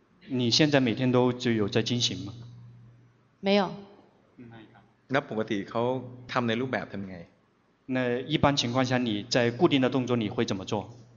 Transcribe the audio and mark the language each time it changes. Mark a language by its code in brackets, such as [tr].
[zh] 你现在每天都就有在进行吗没有 [th] 那ปกติเขาทำในรูปแบบทำไง [zh] 那一般情况下你在固定的动作你会怎么做